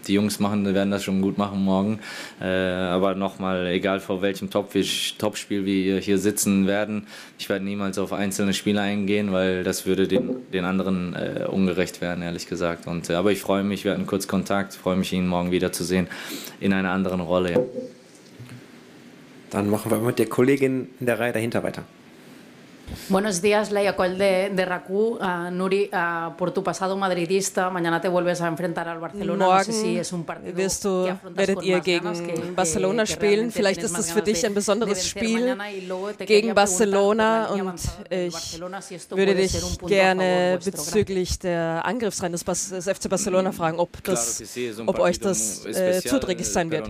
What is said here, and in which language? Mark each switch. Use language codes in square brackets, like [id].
[de] Die Jungs werden das schon gut machen morgen. Aber nochmal, egal vor welchem Topspiel wir hier sitzen werden, ich werde niemals auf einzelne Spieler eingehen, weil das würde den anderen ungerecht werden, ehrlich gesagt. Aber ich freue mich, wir hatten kurz Kontakt, freue mich, ihn morgen wiederzusehen in einer anderen Rolle. Ja. Dann machen wir mit der Kollegin in der Reihe dahinter weiter. [es] Buenos días, Leia Coll de RAC1. Nuri, por tu pasado madridista, mañana te vuelves a enfrentar al Barcelona. [de] Morgen werdet ihr gegen Barcelona spielen. Vielleicht ist es für dich ein besonderes Spiel gegen Barcelona. Und ich würde dich gerne bezüglich der Angriffsreihe des FC Barcelona fragen, ob euch das zuträglich sein wird.